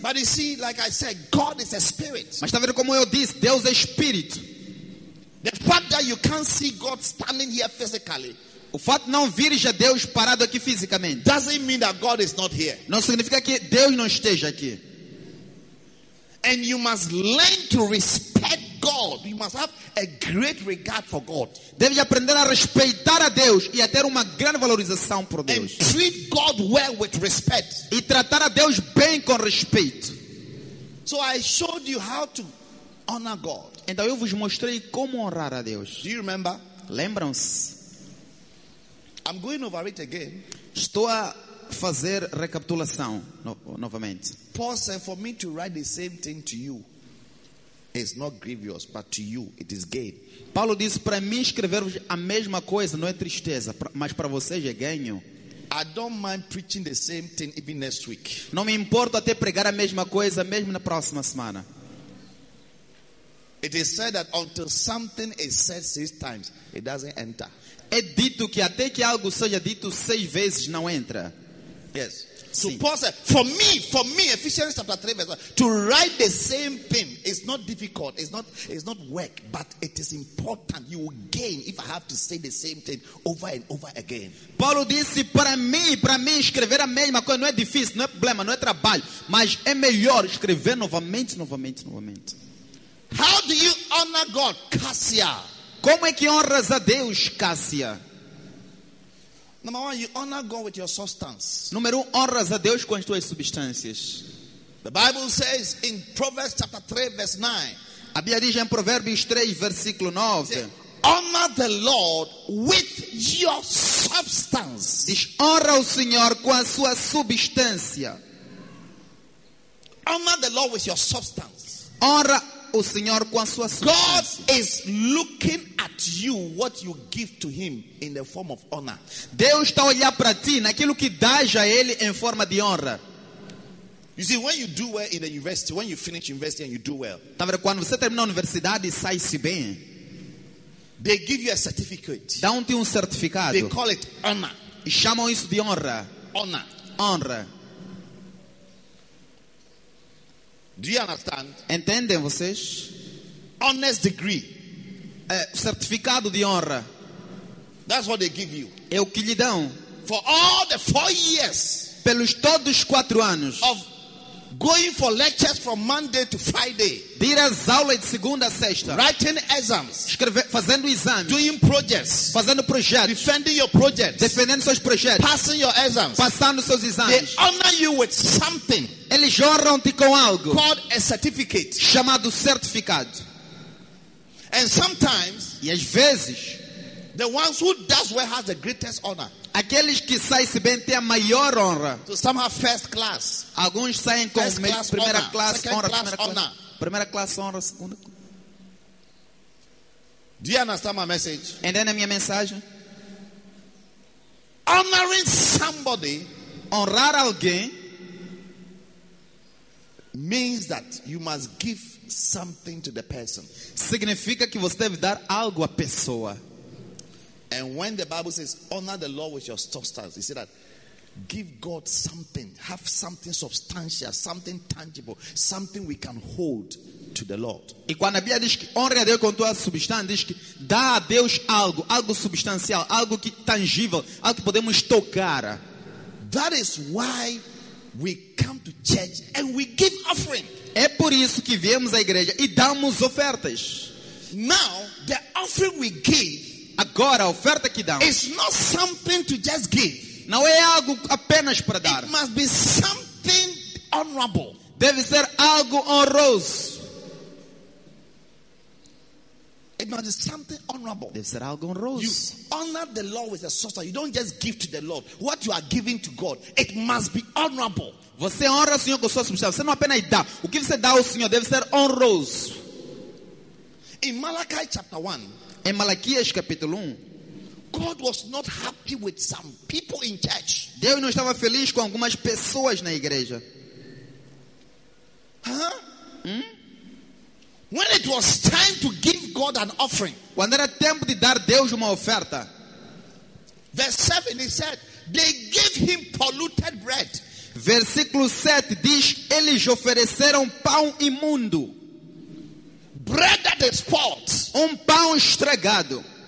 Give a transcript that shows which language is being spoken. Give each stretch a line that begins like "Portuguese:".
English: But you see, like I said, God is a spirit.
Portuguese: Mas está vendo como eu disse, Deus é espírito.
English: The fact that you can't see God standing here physically,
Portuguese: o fato de não vires a Deus parado aqui fisicamente,
English: doesn't mean that God is not here.
Portuguese: Não significa que Deus não esteja aqui.
English: And you must learn to respect God. You must have a great regard for God.
Portuguese: Deve aprender a respeitar a Deus e a ter uma grande valorização por Deus.
English: And treat God well with respect.
Portuguese: E tratar a Deus bem com respeito.
English: So I showed you how to honor God.
Portuguese: Então eu vos mostrei como honrar a Deus.
English: Do you remember?
Portuguese: Lembram-se?
English: I'm going over it again.
Portuguese: Estou a fazer recapitulação novamente.
English: Paul said, for me to write the same thing to you is not grievous, but to you it is gain.
Portuguese: Paulo disse, para mim escrever-vos a mesma coisa não é tristeza, mas para vocês é ganho.
English: I don't mind preaching the same thing even next week.
Portuguese: Não me importo até pregar a mesma coisa mesmo na próxima semana.
English: It is said that until something is said six times, it doesn't enter.
Portuguese: É dito que até que algo seja dito seis vezes não entra.
English: Yes. So Paul said, for me, Ephesians chapter 3, verse 1, to write the same thing is not difficult, it's not work, but it is important. You will gain if I have to say the same thing over and over again.
Portuguese: Paulo disse, para mim, escrever a mesma coisa não é difícil, não é problema, não é trabalho, mas é melhor escrever novamente, novamente, novamente.
English: How do you honor God, Cassia?
Portuguese: Como é que honras a Deus, Cássia?
English: Number one, you honor God with your substance.
Portuguese: Número 1, honras a Deus com as tuas substâncias.
English: The Bible says in Proverbs chapter 3, verse 9.
Portuguese: A Bíblia diz em Provérbios 3, versículo 9.
English: honor the Lord with your substance.
Portuguese: Honra o Senhor com a sua substância.
English: Honor the Lord with your substance.
Portuguese: Honra o Senhor com a sua substância.
English: God is looking at you, what you give to him in the form of honor.
Portuguese: Deus está a olhar para ti naquilo que dás a ele em forma de honra.
English: You see, when you do well in the university, when you finish university and you do well,
Portuguese: tá vendo? Quando você termina a universidade, sai-se bem.
English: They give you a certificate.
Portuguese: Dão-te certificado.
English: They call it honor.
Portuguese: E chamam isso de honra.
English: Honor.
Portuguese: Honra.
English: Do you understand?
Portuguese: Entendem vocês?
English: Honest degree.
Portuguese: Certificado de honra.
English: That's what they give you.
Portuguese: É o que lhe dão.
English: For all the 4 years.
Portuguese: Pelos todos 4 anos.
English: Of going for lectures from Monday to Friday.
Portuguese: Dar as aulas de segunda a sexta.
English: Writing exams.
Portuguese: Fazendo exames.
English: Doing projects.
Portuguese: Fazendo projetos.
English: Defending your projects.
Portuguese: Defendendo seus projetos.
English: Passing your exams.
Portuguese: Passando seus exames.
English: They honor you with something.
Portuguese: Eles honram-te com algo.
English: Called a certificate.
Portuguese: Chamado certificado.
English: And sometimes.
Portuguese: E às vezes.
English: The ones who does well has the greatest honor.
Portuguese: Aqueles que saem se bem têm a maior honra.
English: So some have first class.
Portuguese: Alguns saem com
English: first class
Portuguese: primeira
English: honor.
Portuguese: Classe
English: Second
Portuguese: honra,
English: class
Portuguese: primeira
English: honor.
Portuguese: Classe, primeira classe honra, segunda.
English: Do you understand my message?
Portuguese: Entende a minha mensagem?
English: Honoring somebody,
Portuguese: honrar alguém,
English: means that you must give something to the person.
Portuguese: Significa que você deve dar algo à pessoa.
English: And when the Bible says honor the Lord with your substance, you see that give God something, have something substantial, something tangible, something we can hold to the Lord.
Portuguese: E quando a Bíblia diz que honre a Deus com tua substância, diz que dá a Deus algo, algo substancial, algo que tangível, algo que podemos tocar.
English: That is why we come to church and we give offering.
Portuguese: É por isso que viemos à igreja e damos ofertas.
English: Now the offering we give.
Portuguese: Agora, a oferta que damos.
English: It's not something to just give.
Portuguese: Não é algo apenas para dar.
English: It must be something honorable.
Portuguese: Deve ser algo honroso.
English: It must be something honorable.
Portuguese: Deve ser algo honroso.
English: You honor the Lord with a substance. You don't just give to the Lord. What you are giving to God, it must be honorable.
Portuguese: Você honra o Senhor com sua substância. Você não apenas dá. O que você dá ao Senhor deve ser honroso.
English: In Malachi chapter 1.
Portuguese: Em Malaquias capítulo 1,
English: God was not happy with some people in church.
Portuguese: Deus não estava feliz com algumas pessoas na igreja.
English: When it was time to give God an offering.
Portuguese: Quando era tempo de dar Deus uma oferta.
English: Verse 7, he said, they gave him polluted bread.
Portuguese: Versículo 7 diz, eles ofereceram pão imundo.
English: Bread that is spoiled.
Portuguese: Um pão estragado.